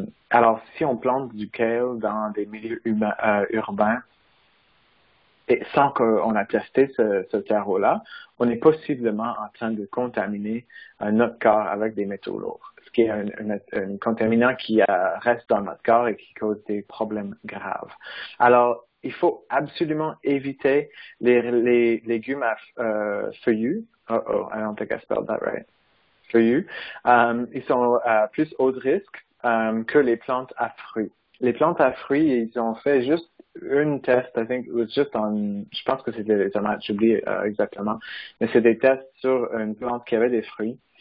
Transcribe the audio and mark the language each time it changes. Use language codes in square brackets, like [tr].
[fr] Alors, si on plante du kale dans des milieux urbains et sans qu'on a testé ce terreau-là, on est possiblement en train de contaminer notre corps avec des métaux lourds, ce qui est un contaminant qui reste dans notre corps et qui cause des problèmes graves. Alors, il faut absolument éviter les légumes à feuillus. [en] Uh-oh, I don't think I spelled that right. For you. [fr] Ils sont plus haut de risque que les plantes à fruits. Les plantes à fruits, ils ont fait juste une test, [en] I think it was just on, [fr] je pense que c'était les tomates, j'oublie exactement, mais c'est des tests sur une plante qui avait des fruits.